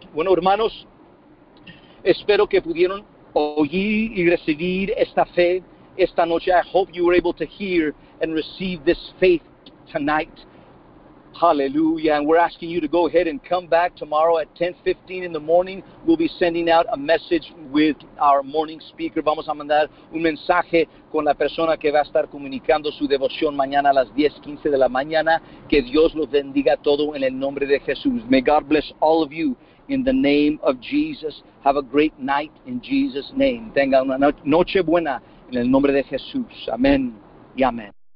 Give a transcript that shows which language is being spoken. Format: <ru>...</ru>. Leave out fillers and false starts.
<es>Bueno, hermanos, espero que pudieron oír y recibir esta fe esta noche.</es> <en>I hope you were able to hear and receive this faith tonight. Hallelujah. And we're asking you to go ahead and come back tomorrow at 10:15 in the morning. We'll be sending out a message with our morning speaker.</en> <es>Vamos a mandar un mensaje con la persona que va a estar comunicando su devoción mañana a las 10:15 de la mañana. Que Dios los bendiga todo en el nombre de Jesús.</es> <en>May God bless all of you in the name of Jesus. Have a great night in Jesus' name.</en> <es>Tenga una noche buena en el nombre de Jesús. Amén y amén.</es>